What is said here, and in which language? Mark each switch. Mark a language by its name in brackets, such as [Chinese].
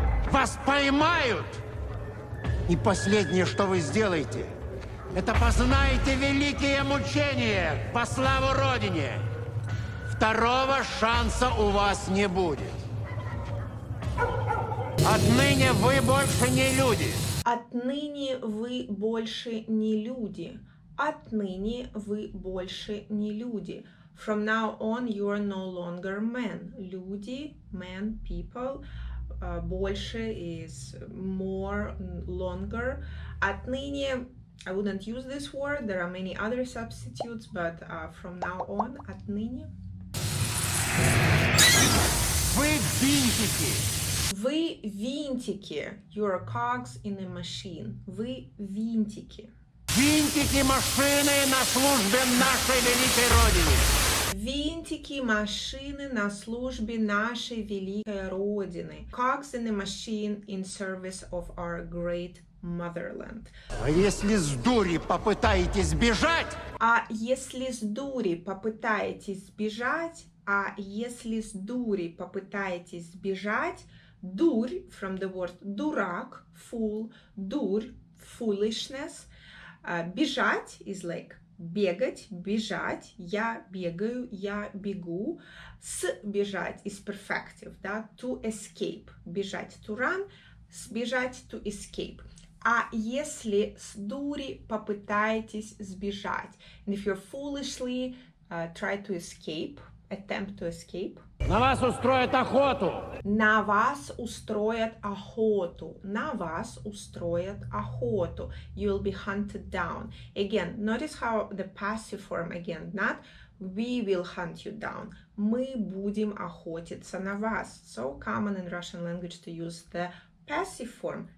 [Russian] Вас поймают. И последнее, что вы сделаете, это познаете великие мучения по славу Родине. Второго шанса у вас не будет. Отныне вы больше не люди. Отныне вы больше не люди. Отныне вы больше не люди. [English] From now on, you are no longer men. Люди, men, people. Больше is more, longer. Отныне, I wouldn't use this word. There are many other substitutes, but from now on, отныне. [Russian] Вы винтики. Вы винтики. [English] You are cogs in a machine. [Russian] Вы винтики. Винтики машины на службе нашей великой родины. Винтики машины на службе нашей великой родины. [English] Cogs in a machine in service of our great motherland. [Russian] А если с дури попытаетесь бежать? А если с дури попытаетесь сбежать? А если с дури попытаетесь сбежать? [English] Дурь, from the word дурак, fool, дурь, foolishness. [Russian] Бежать [English] is like [Russian] бегать, бежать, я бегаю, я бегу. [English] Сбежать is perfective, да? To escape, бежать, to run, сбежать, to escape. [Russian] А если с дури попытаетесь сбежать? [English] And if you're foolishly try to escape, attempt to escape. [Russian] На вас устроят охоту. На вас устроят охоту. На вас устроят охоту. [English] You will be hunted down. Again, notice how the passive form again, not we will hunt you down. [Russian] Мы будем охотиться на вас. [English] So common in Russian language to use the passive form.